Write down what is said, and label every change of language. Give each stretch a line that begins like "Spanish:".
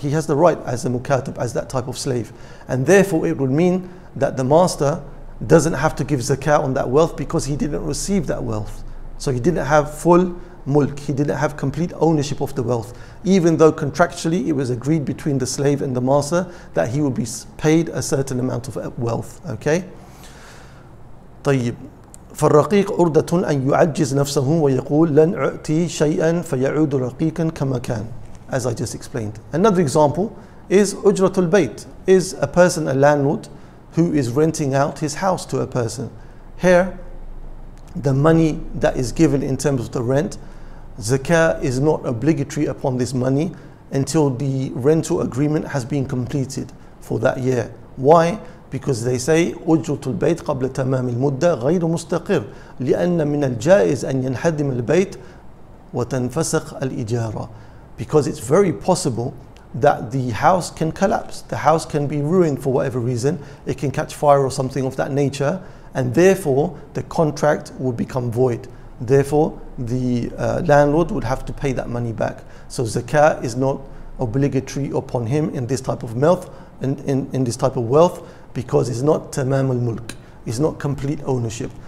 English: He has the right as a mukatib, as that type of slave. And therefore it would mean that the master doesn't have to give zakah on that wealth because he didn't receive that wealth. So he didn't have full mulk. He didn't have complete ownership of the wealth. Even though contractually it was agreed between the slave and the master that he would be paid a certain amount of wealth, okay?
Arabic: طيب فالرقيق أردة أن يعجز نفسه ويقول لن أعطي شيئا فيعود رقيقا كما كان.
English: As I just explained, another example is أجرة البيت, is a person, a landlord, who is renting out his house to a person. Here the money that is given in terms of the rent, zakah is not obligatory upon this money until the rental agreement has been completed for that year. Why?
Arabic: Because they say أجرة البيت قبل تمام المدة غير مستقر لأن من الجائز أن ينهدم البيت وتنفسخ الإجارة. Because it's very possible
English: that the house can collapse, the house can be ruined for whatever reason, it can catch fire or something of that nature, and therefore the contract would become void. Therefore, the landlord would have to pay that money back. So zakat is not obligatory upon him in this type of wealth, in this type of wealth, because it's not tamam al-mulk, it's not complete ownership.